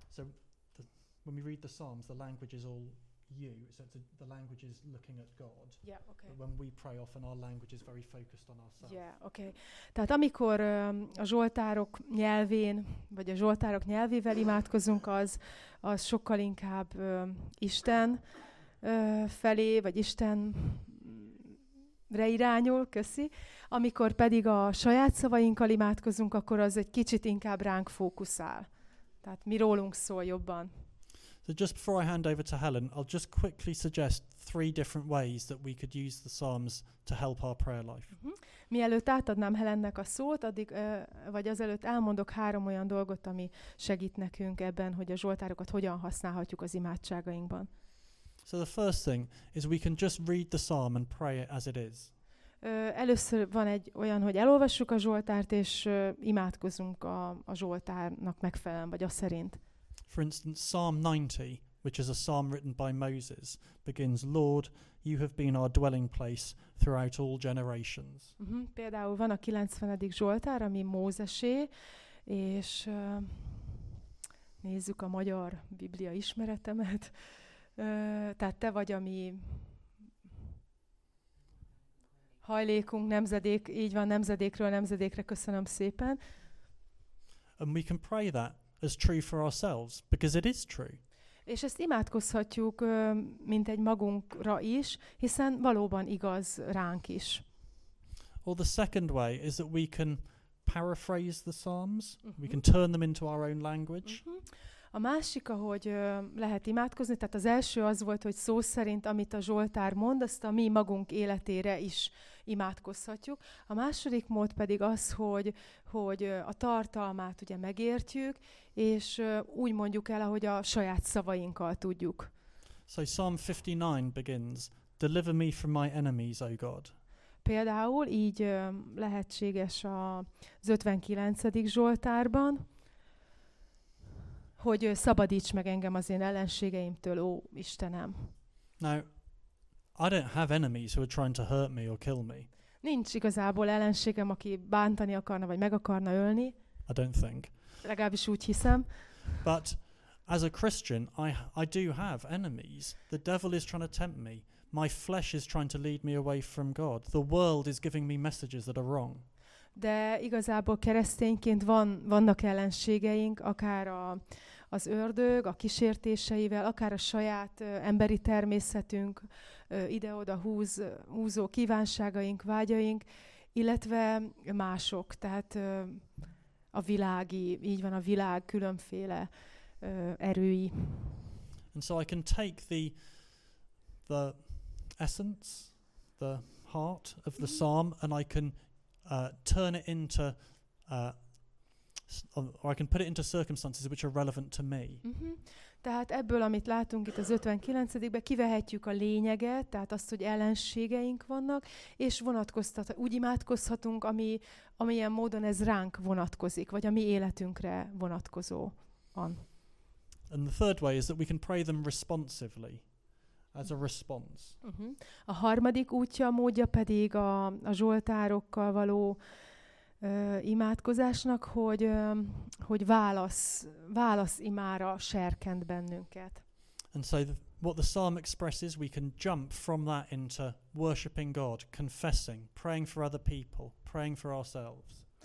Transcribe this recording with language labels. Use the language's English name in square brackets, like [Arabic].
[English] So when we read the Psalms, the language is all you. So the language is looking at God. Yeah. Okay. But when we pray, often our language is very focused on ourselves. Yeah. Okay. [Hungarian] Tehát amikor a zsoltárok nyelvén vagy a zsoltárok nyelvével imádkozunk, az sokkal inkább Isten felé vagy Istenre irányul. Köszi. Amikor pedig a saját szavainkkal imádkozunk, akkor az egy kicsit inkább ránk fókuszál. Tehát mi rólunk szól jobban. [English] So just before I hand over to Helen, I'll just quickly suggest three different ways that we could use the Psalms to help our prayer life. [Hungarian] Mielőtt átadnám Helennek a szót, addig vagy azelőtt elmondok három olyan dolgot, ami segít nekünk ebben, hogy a zsoltárokat hogyan használhatjuk az imádságainkban. [English] So the first thing is we can just read the Psalm and pray it as it is. [Hungarian] Először van egy olyan, hogy elolvassuk a Zsoltárt, és imádkozunk a Zsoltárnak megfelelően, vagy a szerint. [English] For instance, Psalm 90, which is a psalm written by Moses, begins, Lord, you have been our dwelling place throughout all generations. [Hungarian] Például van a 90. Zsoltár, ami Mózesé, és nézzük a magyar Biblia ismeretemet. Tehát te vagy, ami... hajlékunk nemzedék, így van, nemzedékről nemzedékre, köszönöm szépen. [English] And we can pray that as true for ourselves, because it is true. [Hungarian] És ezt imádkozhatjuk, mint egy magunkra is, hiszen valóban igaz ránk is. [English] Or the second way is that we can paraphrase the Psalms, we can turn them into our own language. [Hungarian] A másik, ahogy lehet imádkozni, tehát az első az volt, hogy szó szerint, amit a Zsoltár mond, azt a mi magunk életére is imádkozhatjuk. A második mód pedig az, hogy a tartalmát ugye megértjük, és úgy mondjuk el, ahogy a saját szavainkkal tudjuk. [English] So Psalm 59 begins, deliver me from my enemies, O God. [Hungarian] Például így lehetséges az 59. Zsoltárban, hogy szabadíts meg engem az én ellenségeimtől, ó Istenem. [English] Now, I don't have enemies who are trying to hurt me or kill me. [Hungarian] Nincs igazából ellenségem, aki bántani akarna vagy meg akarna ölni. [English] I don't think. [Hungarian] Legalábbis úgy hiszem. [English] But as a Christian, I do have enemies. The devil is trying to tempt me. My flesh is trying to lead me away from God. The world is giving me messages that are wrong. [Hungarian] De igazából keresztényként vannak ellenségeink, akár az ördög, a kísértéseivel, akár a saját emberi természetünk ide-oda húzó kívánságaink, vágyaink, illetve mások, tehát a világi, így van, a világ különféle erői. [English] And so I can take the essence, the heart of the psalm, and I can turn it into or I can put it into circumstances which are relevant to me. [Hungarian] Tehát ebből, amit látunk itt az 59-ben, kivehetjük a lényeget, tehát azt, hogy ellenségeink vannak, és úgy imádkozhatunk, amilyen módon ez ránk vonatkozik, vagy a mi életünkre vonatkozó van. [English] And the third way is that we can pray them responsively. As a response. [Hungarian] A harmadik útja, módja pedig a zsoltárokkal való imádkozásnak, hogy hogy válasz imára serkent bennünket. [English] And so what the psalm expresses, we can jump from that into worshiping God, confessing, praying for other people, praying for ourselves.